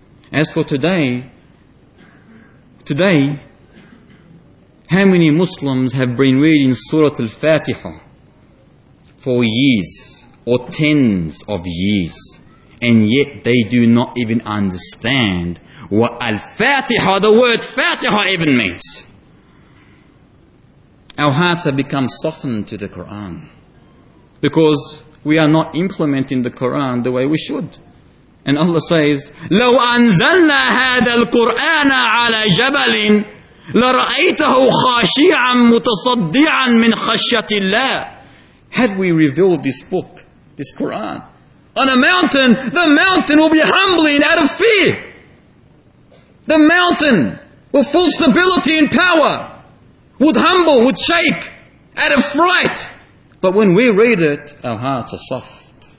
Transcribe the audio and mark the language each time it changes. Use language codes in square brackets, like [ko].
[en] As for today, how many Muslims have been reading Surah Al-Fatiha for years or tens of years, and yet they do not even understand what Al-Fatiha, the word Fatiha, even means? Our hearts have become softened to the Quran because we are not implementing the Quran the way we should. And Allah says, [ar] لَوْ أَنزَلْنَا هَذَا الْقُرْآنَ عَلَى جَبَلٍ لَرَأَيْتَهُ خَاشِعًا مُتَصَدِّعًا مِنْ خَشْيَةِ اللَّهِ. [en] Had we revealed this book, this Quran, on a mountain, the mountain will be humbling out of fear. The mountain with full stability and power would humble, would shake out of fright. But when we read it, our hearts are soft.